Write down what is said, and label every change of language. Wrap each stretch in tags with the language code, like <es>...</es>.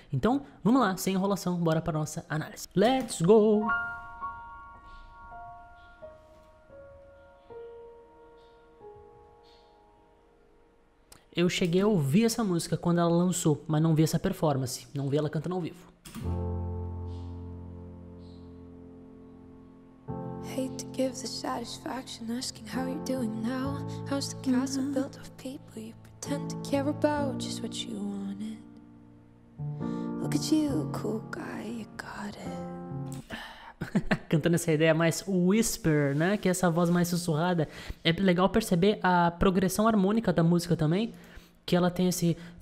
<pt>Então, vamos lá, sem enrolação, bora para nossa análise.</pt> <en>Let's go!</en> <pt>Eu cheguei a ouvir essa música quando ela lançou, mas não vi essa performance, não vi ela cantando ao vivo.</pt> <en>Hate to give the satisfaction asking how you're doing now. How's the castle built of people you pretend to care about? Just what you wanted. Look at you, cool guy, you got it.</en> <pt>Cantando essa ideia mais whisper, né? Que é essa voz mais sussurrada. É legal perceber a progressão harmônica da música também. Que ela tem esse.</pt>